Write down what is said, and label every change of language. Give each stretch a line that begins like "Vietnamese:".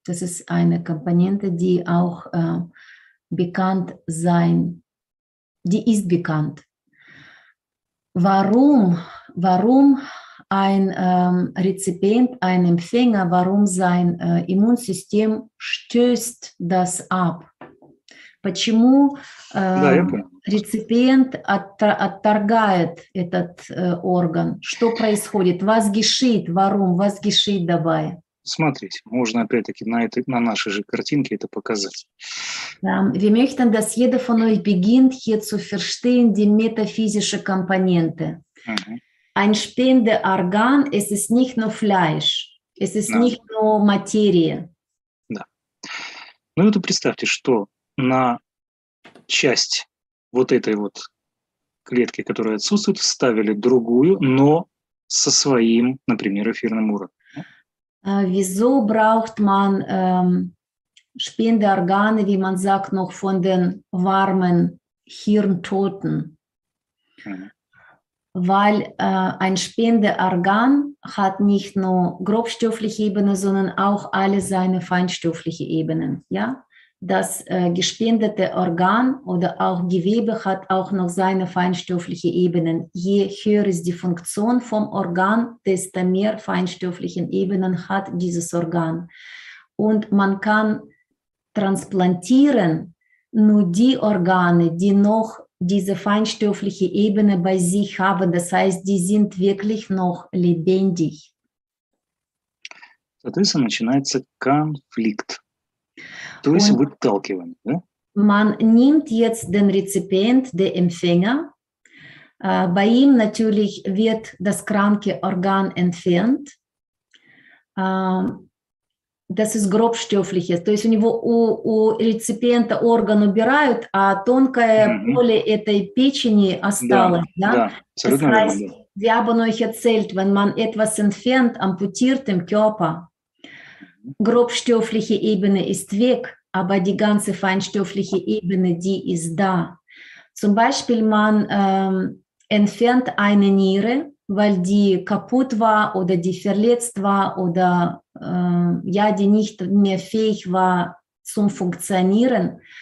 German: Das ist eine Komponente, die auch bekannt sein, die ist bekannt. Warum ein Rezipient, ein Empfänger, warum sein Immunsystem stößt das ab?
Russian: Почему Rezipient отторгает этот орган? Что происходит?
German: Was geschieht? Warum? Was geschieht dabei?
Russian: Смотрите, можно опять-таки на нашей же картинке это показать.
German: Wir möchten, dass jeder von euch beginnt, hier zu verstehen, die metaphysische Komponente. Ein Spendeorgan, es ist nicht nur Fleisch, es ist nicht nur Materie.
Russian: Да. Ну вот представьте, что на часть вот этой вот клетки, которая отсутствует, вставили другую, но со своим, например, эфирным уровнем.
German: Wieso braucht man Spendeorgane, wie man sagt, noch von den warmen Hirntoten? Weil ein Spendeorgan hat nicht nur grobstoffliche Ebene, sondern auch alle seine feinstoffliche Ebenen. Ja? Das gespendete Organ oder auch Gewebe hat auch noch seine feinstoffliche Ebenen. Je höher ist die Funktion vom Organ, desto mehr feinstoffliche Ebenen hat dieses Organ. Und man kann transplantieren nur die Organe, die noch diese feinstoffliche Ebene bei sich haben. Das heißt, die sind wirklich noch lebendig.
Russian: Соответственно, начинается конфликт. То есть вы отталкиваете, да?
German: Man nimmt jetzt den Rezipient, den Empfänger. Bei ihm natürlich wird das kranke Organ entfernt. Das ist grobstoffliche.
Russian: То есть у него у Rezipienta орган убирают, а тонкое поле этой печени осталось, да? Да, абсолютно верно.
German: Wir haben euch erzählt, wenn man etwas entfernt, amputiert im Körper, grobstoffliche Ebene ist weg, aber die ganze feinstoffliche Ebene, die ist da. Zum Beispiel, man entfernt eine Niere, weil die kaputt war oder die verletzt war oder die nicht mehr fähig war zum Funktionieren.